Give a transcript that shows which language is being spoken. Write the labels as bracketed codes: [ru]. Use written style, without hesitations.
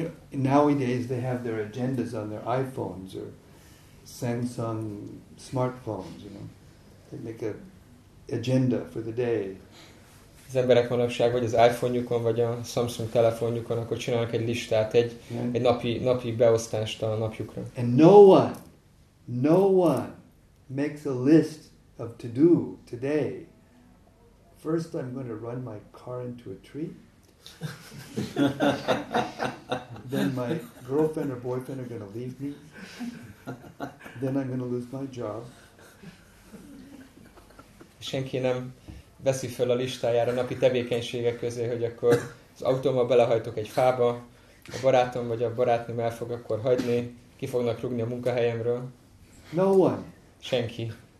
[en] Nowadays they have their agendas on their iPhones or Samsung smartphones, you know. They make a agenda for the day. [hu] Az emberek manapság vagy az iPhone-jukon, vagy a Samsung telefonjukon, akkor csinálnak egy listát, egy napi beosztást a napjukra. [en] And no one makes a list of to do today. First I'm going to run my car into a tree. Then my girlfriend or boyfriend are going to leave me. Then I'm going to lose my job. [hu] Senki nem veszi föl a listájára napi tevékenységek közé, hogy akkor az autómmal belehajtok egy fába, a barátom vagy a barátnőm el fog akkor hagyni, ki fognak rúgni a munkahelyemről. [en] No one. [hu] Senki.